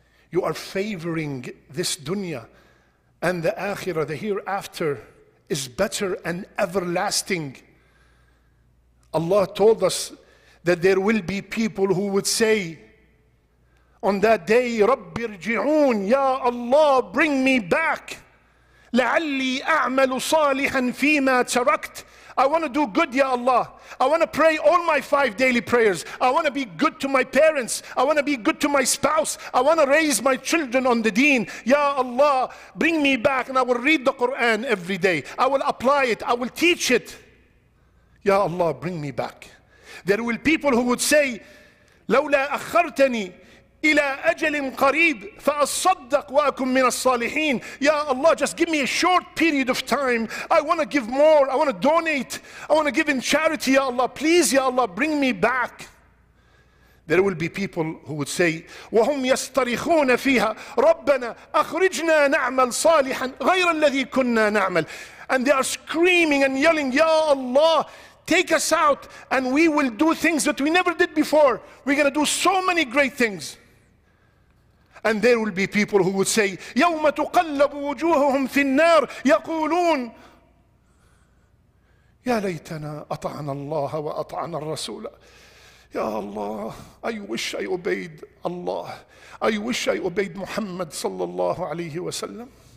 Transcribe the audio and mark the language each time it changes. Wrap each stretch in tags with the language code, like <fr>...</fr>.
<en>You are favoring this dunya and the akhirah, the hereafter, is better and everlasting. Allah told us that there will be people who would say on that day,</en> <ar>رَبِّ ارْجِعُونَ.</ar> <en>Ya Allah, bring me back.</en> <ar>لعلي أعمل صالحا فيما تركت.</ar> <en>I want to do good, Ya Allah. I want to pray all my 5 daily prayers. I want to be good to my parents. I want to be good to my spouse. I want to raise my children on the deen. Ya Allah, bring me back and I will read the Quran every day. I will apply it. I will teach it. Ya Allah, bring me back. There will people who would say,</en> <ar>لولا أخرتني إلى أجل قريب فأصدق وأكون من الصالحين.</ar> <en>Ya Allah, just give me a short period of time. I want to give more. I want to donate. I want to give in charity. Ya Allah, please, Ya Allah, bring me back. There will be people who would say,</en> <ar>وهم يسترخون فيها ربنا أخرجنا نعمل صالحا غير الذي كنا نعمل.</ar> <en>And they are screaming and yelling, Ya Allah, take us out and we will do things that we never did before. We're going to do so many great things. And there will be people who would say,</en> <ar>يوم تقلب وجوههم في النار يقولون يا ليتنا أطعنا الله وأطعنا الرسول.</ar> <en>يا الله, I wish I obeyed Allah. I wish I obeyed Muhammad</en> <ar>صلى الله عليه وسلم.</ar>